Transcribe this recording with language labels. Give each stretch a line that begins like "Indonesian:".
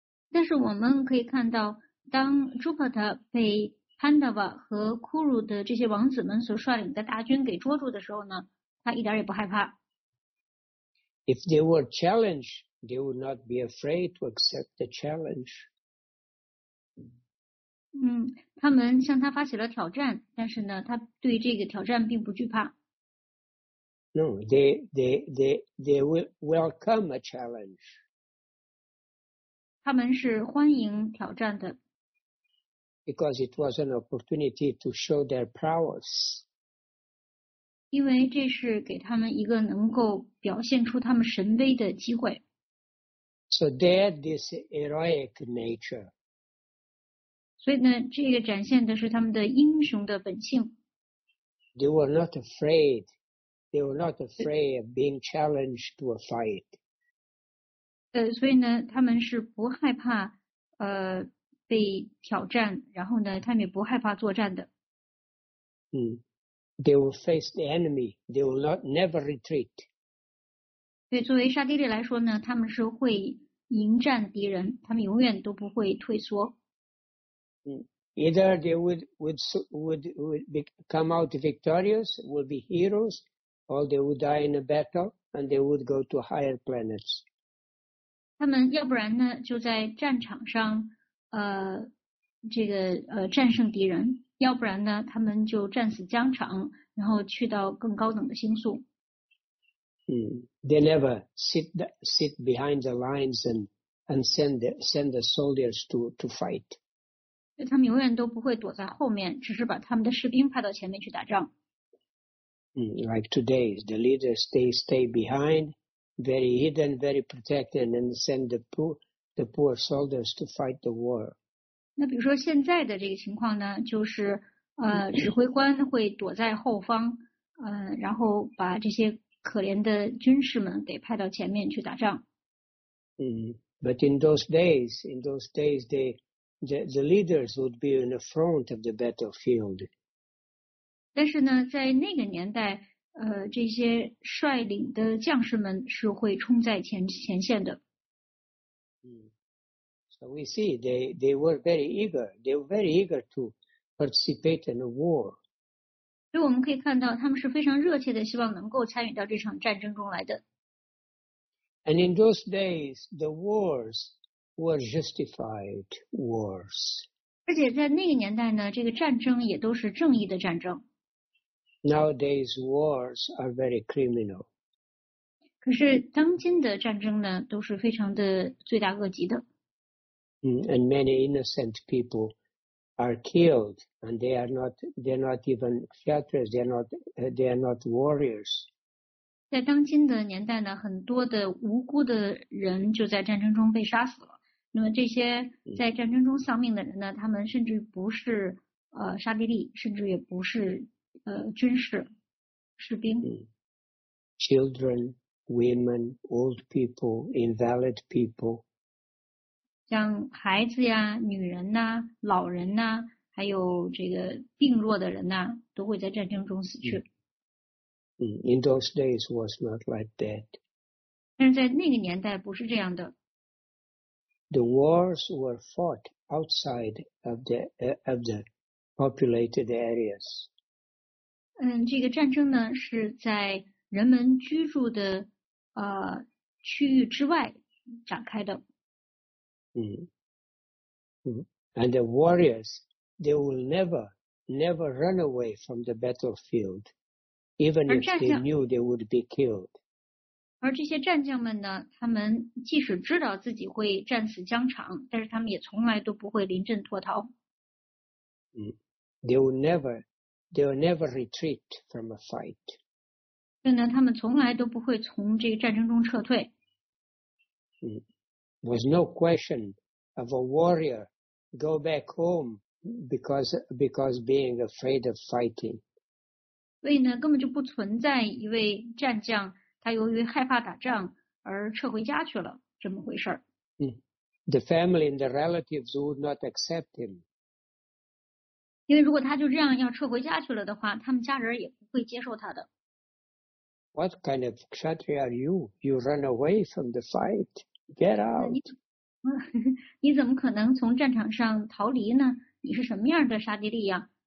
Chinese: 但是我们可以看到，当 Drupada 被 Pandava 和 Kuru 的这些王子们所率领的大军给捉住的时候呢，他一点也不害怕。
English: If they were challenged, they would not be afraid to accept the challenge.
Chinese: 他们向他发起了挑战，但是呢，他对这个挑战并不惧怕。
English: No, they will welcome a challenge.
Chinese: 他们是欢迎挑战的。
English: Because it was an opportunity to show their prowess.
Chinese: 因为这是给他们一个能够表现出他们神威的机会。
English: So they had this heroic nature.
Chinese: 所以呢，这个展现的是他们的英雄的本性。
English: They were not afraid. They were not afraid of being challenged to a fight.
Chinese: 所以呢，他们是不害怕被挑战，然后呢，他们也不害怕作战的。
English: They will face the enemy. They will not never retreat.
Chinese: 对，作为沙地利来说呢，他们是会迎战敌人，他们永远都不会退缩。
English: Either they would come out victorious, will be heroes. Or they would die in a battle, and they would go to higher planets.
Chinese: 他们要不然呢，就在战场上，战胜敌人；要不然呢，他们就战死疆场，然后去到更高等的星宿。
English: They never sit behind the lines and send the soldiers to fight.
Chinese: 他们永远都不会躲在后面，只是把他们的士兵派到前面去打仗。
English: Like today, the leaders, they stay behind, very hidden, very protected, and send the poor soldiers to fight the war.
Chinese: 那比如说现在的这个情况呢，就是指挥官会躲在后方，然后把这些可怜的军士们给派到前面去打仗。
English: But in those days, they, the leaders would be in the front of the battlefield.
Chinese: 但是呢，在那个年代，这些率领的将士们是会冲在前线的。
English: So we see they were very eager. They were very eager to participate in the war.
Chinese: 所以我们可以看到，他们是非常热切的，希望能够参与到这场战争中来的。
English: And in those days, the wars were justified wars.
Chinese: 而且在那个年代呢，这个战争也都是正义的战争。
English: Nowadays, wars are very criminal.
Chinese: 可是当今的战争呢，都是非常的罪大恶极的。
English: And many innocent people are killed, and they are not warriors.
Chinese: 在当今的年代呢，很多的无辜的人就在战争中被杀死了。那么这些在战争中丧命的人呢，他们甚至不是沙地利，甚至也不是。军事士兵
English: children, women, old people, invalid people,
Chinese: 像孩子呀、女人呐、老人呐，还有这个病弱的人呐，都会在战争中死去。
English: In those days was not like that.
Chinese: 但是在那个年代不是这样的。
English: The wars were fought outside of the populated areas.
Chinese: 这个战争呢是在人们居住的区域之外展开的。
English: And the warriors, they will never run away from the battlefield, even if they knew they would be killed.
Chinese: 而这些战将们呢，他们即使知道自己会战死疆场，但是他们也从来都不会临阵脱逃。
English: They will never retreat from a fight.
Chinese: 所以呢，他们从来都不会从这个战争中撤退。
English: Was no question of a warrior go back home because being afraid of fighting.
Chinese: 所以呢，根本就不存在一位战将他由于害怕打仗而撤回家去了这么回事。
English: The family and the relatives would not accept him.
Chinese: 因为如果他就这样要撤回家去了的话，他们家人也不会接受他的。
English: What kind of kshatriya are you? You run away from the fight. Get out.
Chinese: 你怎么可能从战场上逃离呢？你是什么样的沙地利呀？